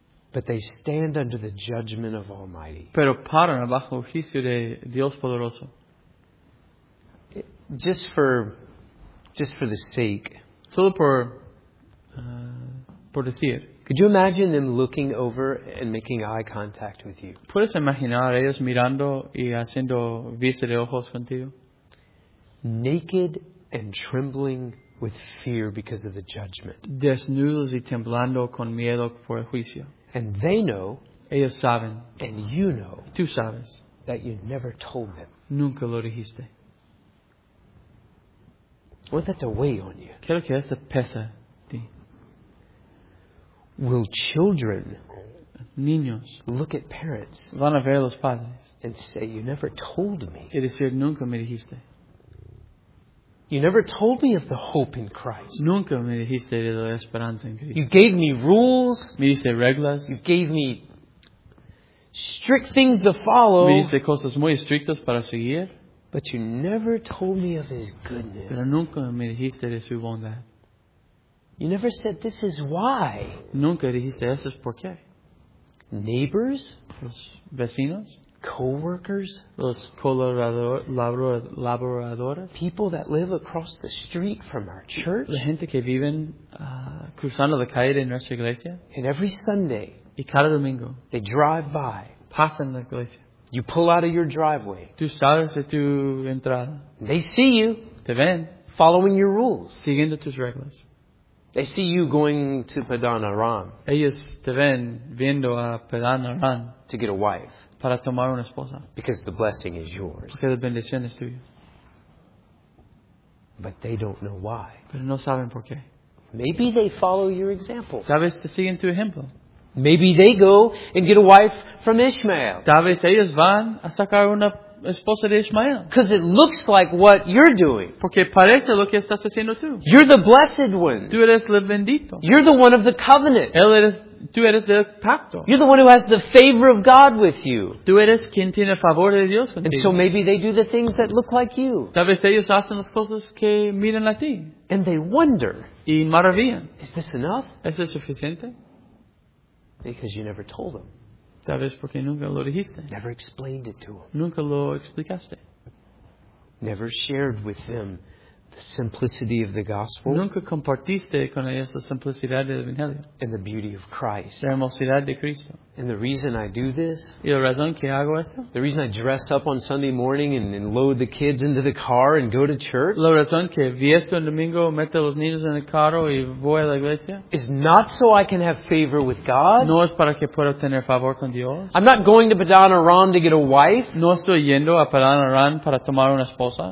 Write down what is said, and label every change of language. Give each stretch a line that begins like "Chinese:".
English: But they stand under the judgment of Almighty.
Spanish: Pero paran bajo el juicio de Dios Poderoso.
English: Just for the sake.
Spanish: solo por decir.
English: Could you imagine them looking over and making eye contact with you?
Spanish: ¿Puedes imaginar ellos mirando y haciendo vista de ojos contigo?
English: Naked and trembling with fear because of the judgment.
Spanish: Desnudos y temblando con miedo por el juicio.
English: And they know.
Spanish: Ellos saben.
English: And you know.
Spanish: Tú sabes.
English: That you never told them.
Spanish: Nunca lo dijiste.
English: I want that to weigh on you.
Spanish: Quiero que esto pesa ti.
English: Will children.
Spanish: Niños.
English: Look at parents.
Spanish: Van a ver a los padres.
English: And say, you never told me.
Spanish: Y decir, nunca me dijiste.
English: You never told me of the hope in Christ.
Spanish: Nunca me dijiste de la esperanza en Cristo.
English: You gave me rules.
Spanish: Me diste reglas.
English: You gave me strict things to follow.
Spanish: Me diste cosas muy estrictas para seguir.
English: But you never told me of His goodness.
Spanish: Pero nunca me dijiste de su bondad.
English: You never said this is why.
Spanish: Nunca dijiste eso es por qué.
English: Neighbors.
Spanish: Los vecinos.
English: Co-workers,
Spanish: los colaboradores,
English: people that live across the street from our church,
Spanish: la gente que viven cruzando la calle de nuestra iglesia,
English: and every Sunday,
Spanish: y cada domingo,
English: they drive by,
Spanish: pasan la iglesia.
English: You pull out of your driveway,
Spanish: tú sales de tu entrada,
English: they see you,
Spanish: te ven,
English: following your rules,
Spanish: siguiendo tus reglas.
English: They see you going to Padan Aram,
Spanish: ellos te ven viendo a Padan Aram,
English: to get a wife.
Spanish: Para tomar una esposa.
English: Because the blessing is yours.
Spanish: Porque la bendición es tuya.
English: But they don't know why.
Spanish: Pero no saben por qué.
English: Maybe they follow your example.
Spanish: Tal vez te siguen tu ejemplo.
English: Maybe they go and get a wife from Ishmael.
Spanish: Tal vez ellos van a sacar una esposa de Ishmael.
English: Because it looks like what you're doing.
Spanish: Porque parece lo que estás haciendo tú.
English: You're the blessed one.
Spanish: Tú eres el bendito.
English: You're the one of the covenant.
Spanish: Él eres. Tú eres del pacto.
English: You're the one who has the favor of God with you.
Spanish: Tú eres quien tiene favor de Dios contigo.
English: And so maybe they do the things that look like you.
Spanish: Tal vez ellos hacen las cosas que miran a ti.
English: And they wonder.
Spanish: Y maravillan.
English: Is this enough?
Spanish: ¿Es suficiente?
English: Because you never told them.
Spanish: Tal vez porque nunca lo dijiste.
English: Never explained it to them.
Spanish: Nunca lo explicaste.
English: Never shared with them the simplicity of the gospel.
Spanish: Nunca compartiste con ellos la simplicidad del evangelio.
English: And the beauty of Christ.
Spanish: La hermosidad de Cristo.
English: And the reason I do this.
Spanish: Y la razón que hago esto.
English: The reason I dress up on Sunday morning and load the kids into the car and go to church.
Spanish: La razón que visto en domingo, meto los niños en el carro y voy a la iglesia.
English: Is not so I can have favor with God.
Spanish: No es para que pueda tener favor con Dios.
English: I'm not going to Padan Aram to get a wife.
Spanish: No estoy yendo a Padan Aram para tomar una esposa.